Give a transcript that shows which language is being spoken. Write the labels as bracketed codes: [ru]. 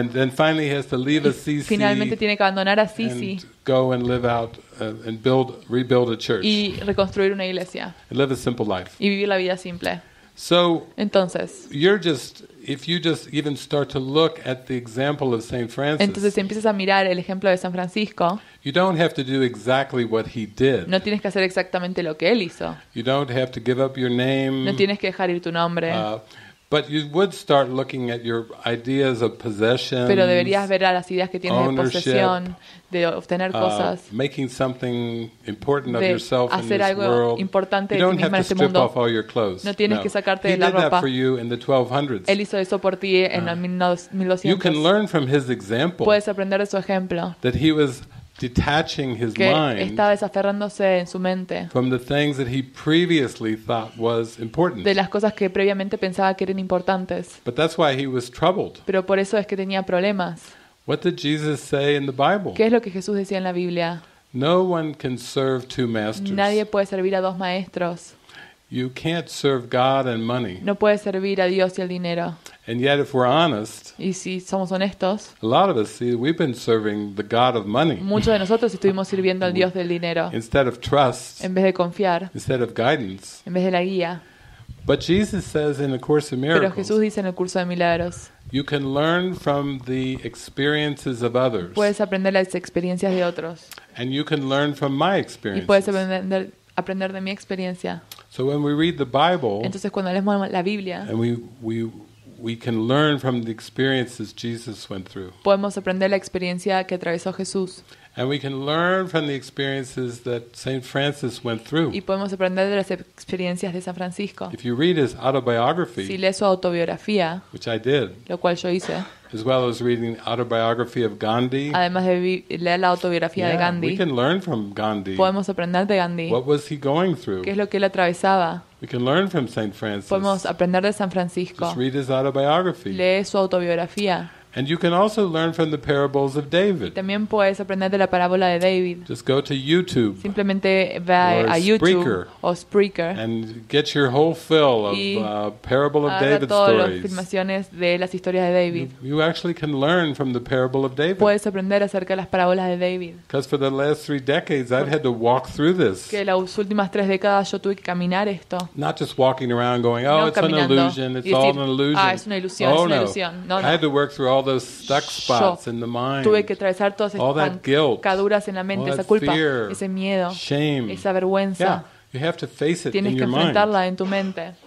[en] And then finally he has to leave Assisi. [es] Finalmente tiene que abandonar Assisi. [en] And go and live out and build rebuild a church. [es] Y reconstruir una iglesia. [en] And live a simple life. [es] Y vivir la vida simple. [en] So [es] entonces, [en] you're just if you just even start to look at the example of Saint Francis. [es] Entonces si empiezas a mirar el ejemplo de San Francisco. [en] You don't have to do exactly what he did. [es] No tienes que hacer exactamente lo que él hizo. [en] You don't have to give up your name. [es] No tienes que dejar ir tu nombre. [en] But you would start looking at your ideas of possession. [es] Pero deberías ver a las ideas que tienes de posesión, de obtener cosas. [en] Making something important of yourself in this world. [es] Hacer algo importante de ti misma en este mundo. [en] You don't have to strip off all your clothes. [es] No tienes que sacarte de la ropa. [en] He did that for you in the 1200s. [es] Él hizo eso por ti en los 1200. [en] You can learn from his example. [es] Puedes aprender de su ejemplo. [en] That he was detaching his [es] que [en] mind [es] estaba desaferrándose en su mente [en] from the things that he previously thought was important. [es] De las cosas que previamente pensaba que eran importantes. [en] But that's why he was troubled. [es] Pero por eso es que tenía problemas. [en] What did Jesus say in the Bible? [es] ¿Qué es lo que Jesús decía en la Biblia? [en] No one can serve two masters. [es] Nadie puede servir a dos maestros. [en] You can't serve God and money. [es] No puedes servir a Dios y al dinero. [en] And yet, if we're honest, [es] y si somos honestos, [en] a lot of us see we've been serving the God of money. [es] Muchos de nosotros estuvimos sirviendo al Dios del dinero. [en] Instead of trust. [es] En vez de confiar. [en] Instead of guidance. [es] En vez de la guía. [en] But Jesus says in the Course of Miracles. [es] Pero Jesús dice en el curso de milagros. [en] You can learn from the experiences of others. [es] Puedes aprender las experiencias de otros. [en] And you can learn from my experiences. [es] Y puedes aprender de mi experiencia. [en] So when we read the Bible, [es] entonces cuando leemos la Biblia, [en] and we can learn from the experiences Jesus went through. [es] Podemos aprender la experiencia que atravesó Jesús. [en] And we can learn from the experiences that Saint Francis went through. [es] Y podemos aprender de las experiencias de San Francisco. [en] If you read his autobiography, [es] si lees su autobiografía, [en] which I did, [es] lo cual yo hice, [en] as well as reading autobiography of Gandhi. [es] Además de leer la autobiografía de Gandhi. [en] We can learn from Gandhi. [es] Podemos aprender de Gandhi. [en] What was he going through? [es] ¿Qué es lo que él atravesaba? [en] We can learn from Saint Francis. [es] Podemos aprender de San Francisco. [en] Just read his autobiography. [es] Lee su autobiografía. [en] And you can also learn from the parables of David. [es] También puedes aprender de la parábola de David. [en] Just go to YouTube. [es] Simplemente ve a YouTube o Spreaker. [en] And get your whole fill of parable of David stories. [es] Todas las filmaciones de las historias de David. [en] You actually can learn from the parable of David. [es] Puedes aprender acerca de las parábolas de David. [en] Because for the last three decades, I've had to walk through this. [es] Que las últimas tres décadas yo tuve que caminar esto. [en] Not just walking around going, oh, it's an illusion. It's all an illusion. [es] Ah, es una ilusión. Es una ilusión. [en] I had to work through all those stuck spots in the mind. [es] Tuve que atravesar todas esas pancaduras en la mente, esa culpa, [en] fear, [es] ese miedo, [en] shame, [es] esa vergüenza. [en] Yeah, you have to face it [es] tienes [en] in your mind. [es] Tienes que enfrentarla en tu mente.